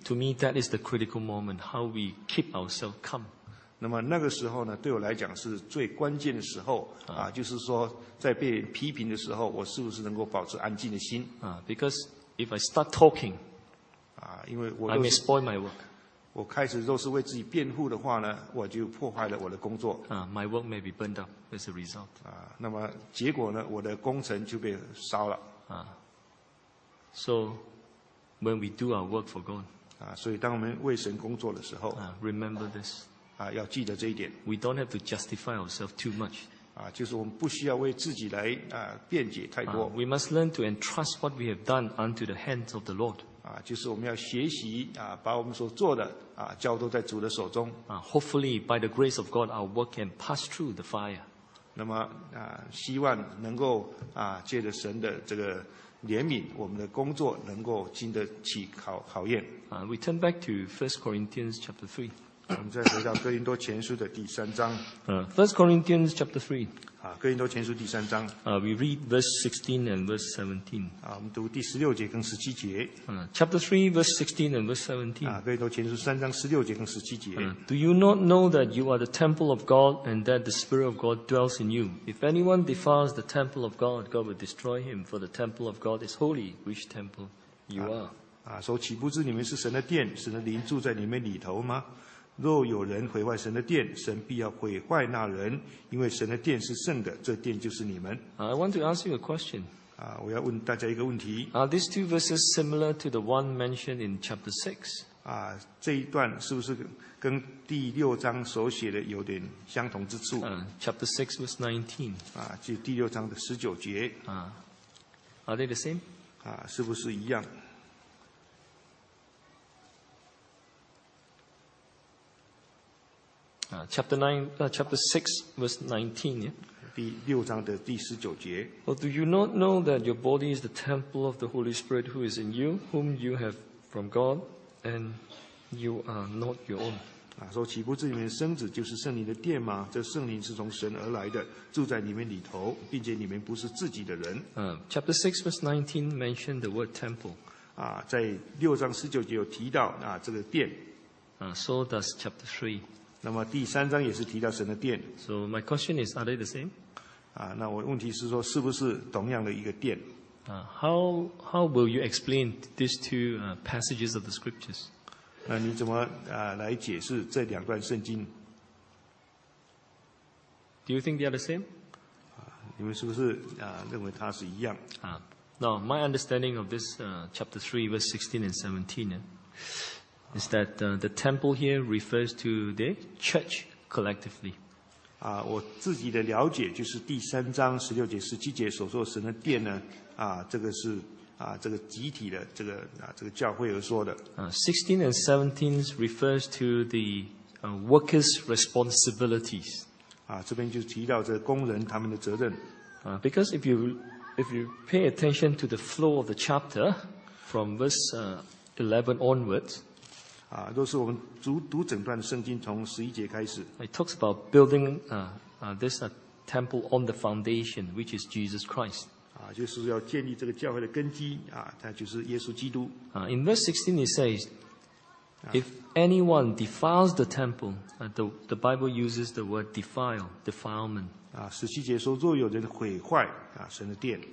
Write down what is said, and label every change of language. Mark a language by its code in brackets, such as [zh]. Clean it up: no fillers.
[en] To me, that is the critical moment, how we keep ourselves calm. [zh] 那么那个时候呢，对我来讲是最关键的时候。就是说在被批评的时候，我是不是能够保持安静的心。 [en] Because if I start talking, [zh] 因为我都是， [en] I may spoil my work. [zh] 我开始若是为自己辩护的话呢，我就破坏了我的工作。 [en] My work may be burned up as a result. [zh] 那么结果呢，我的工程就被烧了。 [en] So when we do our work for God. [zh] 所以当我们为神工作的时候。 [en] Remember this. [zh] 要记得这一点。 [en] We don't have to justify ourselves too much. [zh] 就是我们不需要为自己来辩解太多。 [en] We must learn to entrust what we have done unto the hands of the Lord. [zh] 就是我们要学习把我们所做的交托在主的手中。 [en] Hopefully, by the grace of God, our work can pass through the fire. [zh] 那么希望能够借着神的这个怜悯，我们的工作能够经得起考验。 [en] We turn back to 1 Corinthians chapter 3. [zh] 我们再回到哥林多前书的第三章。 [en] 1 Corinthians chapter 3. [zh] 哥林多前书第三章。 [en] We read verse 16 and verse 17. [zh] 我们读第十六节跟十七节。 [en] Chapter 3, verse 16 and verse 17. [zh] 哥林多前书三章十六节跟十七节。 [en] Do you not know that you are the temple of God and that the Spirit of God dwells in you? If anyone defiles the temple of God, God will destroy him, for the temple of God is holy, which temple you are. [zh] 说岂不知你们是神的殿，神的灵住在你们里头吗？若有人毁坏神的殿，神必要毁坏那人，因为神的殿是圣的，这殿就是你们。 [en] I want to ask you a question. [zh] 我要问大家一个问题。 [en] Are these two verses similar to the one mentioned in chapter 6? [zh] 这一段是不是跟第六章所写的有点相同之处？ [en] Chapter 6 verse 19. [zh] 就第六章的十九节。 [en] Are they the same? [zh] 是不是一样？ [en] Chapter 6, verse 19. [zh] 第六章的第十九节。 [en] Oh, do you not know that your body is the temple of the Holy Spirit who is in you, whom you have from God, and you are not your own? [zh] 说岂不知你们身子就是圣灵的殿吗？这圣灵是从神而来的，住在你们里头，并且你们不是自己的人。 [en] Chapter 6, verse 19 mentioned the word temple. [zh] 在六章十九节有提到这个殿。 [en] So does chapter 3. [zh] 那么第三章也是提到神的殿。 [en] So my question is, are they the same? [zh] 那我问题是说，是不是同样的一个殿？ [en] How will you explain these two passages of the scriptures? [zh] 那你怎么来解释这两段圣经 [en] ？Do you think they are the same? [zh] 你们是不是认为它是一样？ [en] Now my understanding of this chapter 3, verse 16 and 17. Is that the temple here refers to the church collectively? [zh] 我自己的了解就是第三章十六节十七节所说的神的殿呢，这个是这个集体的这个教会而说的。 [en] 16 and 17 refers to the workers' responsibilities. [zh] 这边就提到这工人他们的责任。 [en] Because if you pay attention to the flow of the chapter from verse 11 onwards. [zh] 都是我们读整段圣经从十一节开始。 [en] It talks about building this temple on the foundation, which is Jesus Christ. [zh] 就是要建立这个教会的根基它就是耶稣基督。 [en] In verse 16 it says, if anyone defiles the temple, the Bible uses the word defilement. [zh] 十七节说若有人毁坏神的殿。